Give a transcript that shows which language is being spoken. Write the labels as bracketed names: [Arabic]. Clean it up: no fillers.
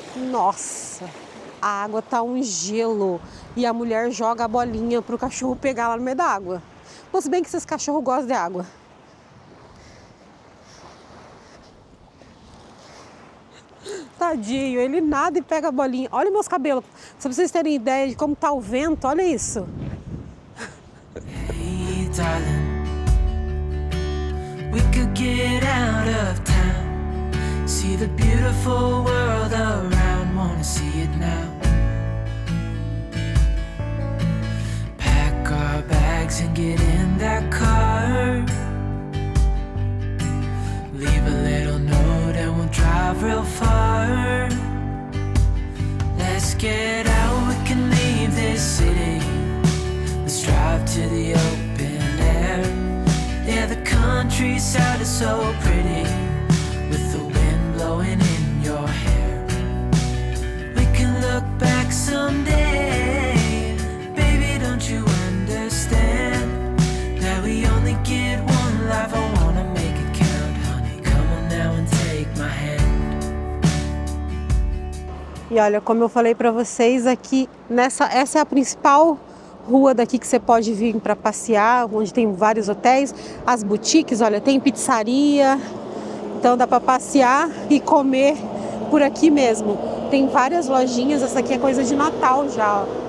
[Portuguese] Nossa, a água tá um gelo. E a mulher joga a bolinha para o cachorro pegar lá no meio da água. Pô, se bem que esses cachorros gostam de água. Tadinho, ele nada e pega a bolinha. Olha meus cabelos, só pra vocês terem ideia de como tá o vento, olha isso. [English] Hey, darling, we could get out of town. See the beautiful world around, wanna see it now. Pack our bags and get in that car. Leave a little note and we'll drive real far. Let's get out, we can leave this city. Let's drive to the open air. Yeah, the countryside is so pretty, with the wind blowing in your hair. We can look back someday. Baby, don't you understand that we only get one life? I wanna make it count, honey. Come on now and take my hand. [Portuguese] E olha, como eu falei para vocês, aqui essa é a principal rua daqui que você pode vir para passear, onde tem vários hotéis, as boutiques, olha, tem pizzaria. Então dá para passear e comer por aqui mesmo. Tem várias lojinhas, essa aqui é coisa de Natal já, ó.